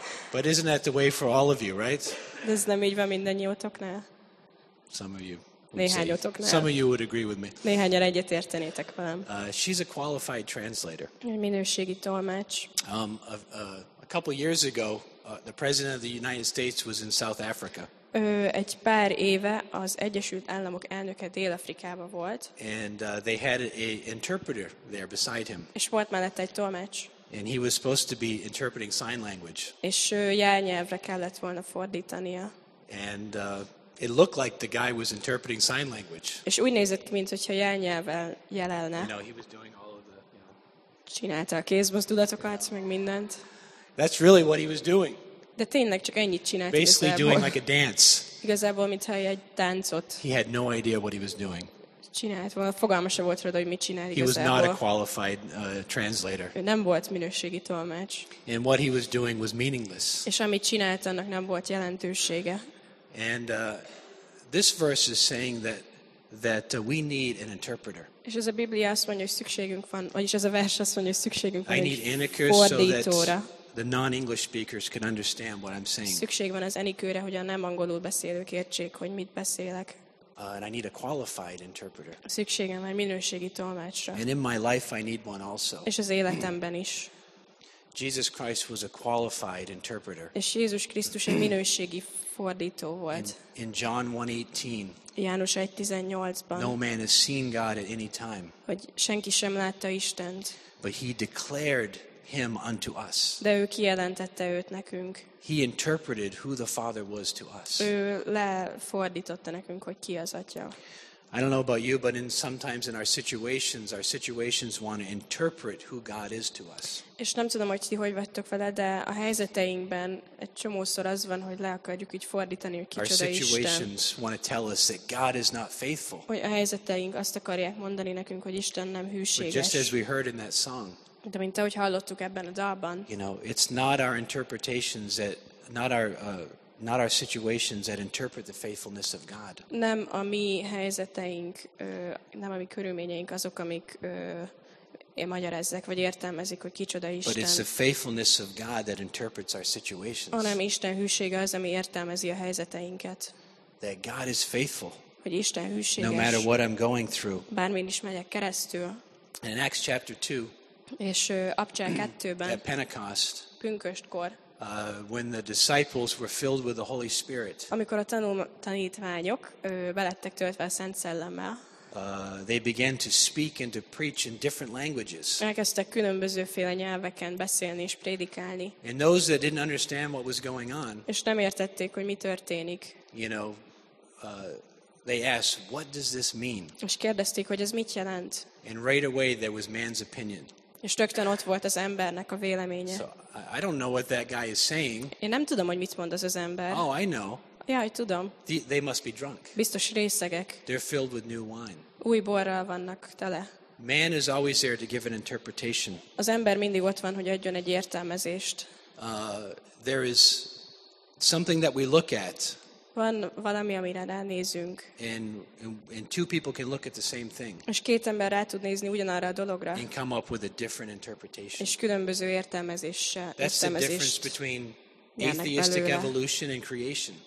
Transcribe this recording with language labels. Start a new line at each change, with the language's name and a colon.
English: But isn't that the way for all of you, right?
Hungarian: De ez nem így van mindannyiótoknál.
English: Some of you.
Hungarian: Néhányotoknál.
English: Some of you would agree with me.
Hungarian: Néhányan egyet értenétek velem.
English: She's a qualified translator.
Hungarian: Minőségi tolmács.
English: A couple years ago, the president of the United States was in South Africa.
Hungarian: Egy pár éve az Egyesült Államok elnöke Dél-Afrikában volt.
English: And they had a interpreter there beside him.
Hungarian: És volt mellette egy tolmács.
English: And he was supposed to be interpreting sign language.
Hungarian: És jelnyelvre kellett volna fordítania.
English: And it looked like the guy was interpreting sign language.
Hungarian: És úgy nézett, mint hogyha jelnyelvvel jelelne.
English: You know, he was doing all of the,
Hungarian: Csinálta a kézmozdulatokat, meg mindent.
English: That's really what he was doing.
Hungarian: De tényleg csak ennyit csinált.
English: Basically doing like a dance.
Hungarian: Igazából, mintha egy táncot.
English: He had no idea what he was doing.
Hungarian: Csinált, valami fogalma sem volt róla, hogy mit csinál igazából.
English: He was not a qualified translator.
Hungarian: Ő nem volt minőségi tolmács.
English: And what he was doing was meaningless.
Hungarian: És amit csinált, annak nem volt jelentősége.
English: And this verse is saying that we need an interpreter.
Hungarian: És ez a Biblia azt mondja, hogy szükségünk van, vagyis ez a vers azt mondja, hogy szükségünk van.
English: I need
Hungarian: Annika
English: so that the non-English speakers can understand what I'm saying.
Hungarian: Szükség van az Annikőre, hogy a nem angolul beszélők értsék, hogy mit beszélek.
English: And I need a qualified interpreter.
Hungarian: Szükségem van egy minőségi tolmácsra.
English: And in my life I need one also.
Hungarian: És az életemben is.
English: Jesus Christ was a qualified interpreter.
Hungarian: És Jézus Krisztus egy minőségi fordító volt.
English: In John 1:18.
Hungarian: János 1:18-ban.
English: No man has seen God at any time.
Hungarian: Hogy senki sem látta Istent.
English: But he declared him unto us.
Hungarian: De ő kijelentette őt nekünk.
English: He interpreted who the Father was to us.
Hungarian: Ő lefordította nekünk, hogy ki az Atya.
English: I don't know about you, but in sometimes in our situations want to interpret who God is to us.
Hungarian: És nem tudom, hogy ti hogy vagytok vele, de a helyzeteinkben egy csomószor az van, hogy le akarjuk így fordítani, hogy kicsoda
English: Isten. Our situations want to tell us that God is not faithful.
Hungarian: Hogy a helyzeteink azt akarják mondani nekünk, hogy Isten nem hűséges.
English: But just as we heard in that song.
Hungarian: De mint ahogy hallottuk ebben a dalban.
English: You know, it's not our interpretations that not our situations that interpret the faithfulness of God.
Hungarian: Nem a mi helyzeteink, nem a mi körülményeink azok, amik magyarázzák vagy értelmezik, hogy kicsoda Isten.
English: But it's the faithfulness of God that interprets our situations.
Hungarian: Hanem Isten hűsége az, ami értelmezi a helyzeteinket.
English: That God is faithful.
Hungarian: Hogy Isten hűséges.
English: No matter what I'm going through.
Hungarian: Bármin is megyek keresztül.
English: In Acts chapter 2.
Hungarian: És Apcsel 2-ben.
English: At Pentecost.
Hungarian: Pünköstkor.
English: When the disciples were filled with the Holy Spirit.
Hungarian: Amikor a tanítványok belettek töltve a Szent Szellemmel.
English: They began to speak and to preach in different languages.
Hungarian: Elkezdtek különbözőféle nyelveken beszélni és prédikálni.
English: And those that didn't understand what was going on.
Hungarian: És nem értették, hogy mi történik.
English: You know, they asked, "What does this mean?"
Hungarian: És kérdezték, hogy ez mit jelent.
English: And right away there was man's opinion.
Hungarian: És rögtön ott volt az embernek a véleménye.
English: So, I don't know what that guy is saying.
Hungarian: Én nem tudom, hogy mit mond az az ember.
English: Oh, I know.
Hungarian: Ja, tudom.
English: They must be drunk.
Hungarian: Biztos részegek.
English: They're filled with new wine.
Hungarian: új borral vannak tele.
English: Man is always there to give an interpretation.
Hungarian: Az ember mindig ott van, hogy adjon egy értelmezést.
English: There is something that we look at.
Hungarian: Van valami, amire ránézünk.
English: And two people can look at the same thing.
Hungarian: És két ember rá tud nézni ugyanarra a dologra.
English: And come up with a different interpretation.
Hungarian: És különböző értelmezéssel.
English: That's the difference between atheistic evolution and creation.